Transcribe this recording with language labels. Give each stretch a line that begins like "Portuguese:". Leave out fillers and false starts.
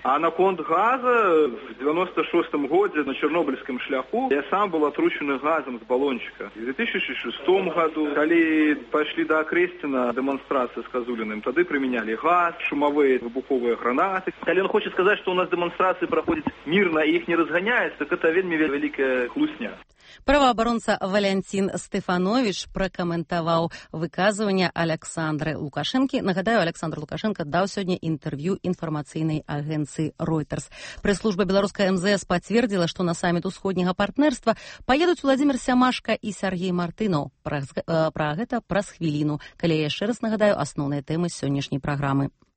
Russian: А на конт газа в 96-м году на Чернобыльском шляху я сам был отручен газом с баллончика. В 2006 году, когда пошли до Окрестина демонстрации с Козулиным, тогда применяли газ, шумовые выбуховые гранаты. Если он хочет сказать, что у нас демонстрации проходят мирно и их не разгоняют, так это очень великая хлусня.
Belarusian: Правоабаронца Валянцін Стефанович прокаментаваў выказывання Александры Лукашэнкі. Нагадаю, Александр Лукашэнка даў сёння інтэрв'ю інфармацыйнай агенцыі Reuters. Прэс-служба беларускай МЗС пацвердзіла, што на саміт усходняга партнерства паедуць Уладзімір Сямашка і Сергей Мартынаў. Пра гэта праз хвіліну. Калі я яшчэ раз нагадаю асноўныя тэмы сённяшняй праграмы.